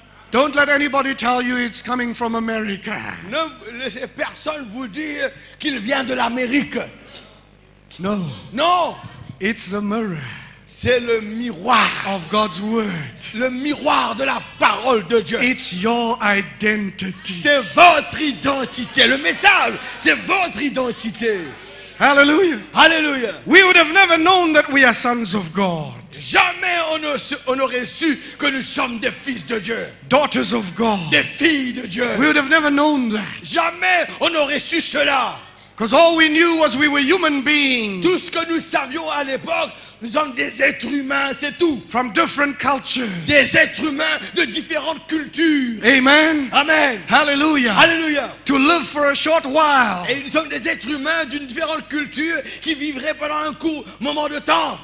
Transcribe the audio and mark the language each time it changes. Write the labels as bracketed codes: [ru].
[en] Don't let anybody tell you it's coming from America. [fr] Ne laissez personne vous dire qu'il vient de l'Amérique. [en] No. No. It's the mirror. [fr] C'est le miroir [en] of God's word. [fr] Le miroir de la parole de Dieu. [en] It's your identity. [fr] C'est votre identité. Le message, c'est votre identité. [en] Hallelujah. [fr] Hallelujah. [en] We would have never known that we are sons of God. [fr] Jamais on aurait su que nous sommes des fils de Dieu. [en] Daughters of God. [fr] Des filles de Dieu. [en] We would have never known that. [fr] Jamais on aurait su cela. [en] Because all we knew was we were human beings. [fr] Tout ce que nous savions à l'époque, nous sommes des êtres humains, c'est tout. [en] From different cultures. [fr] Des êtres humains de différentes cultures. [en] Amen. [fr] Amen. [en] Hallelujah. [fr] Hallelujah. [en] To live for a short while. [fr] Et nous sommes des êtres humains d'une différente culture qui vivraient pendant un court moment de temps.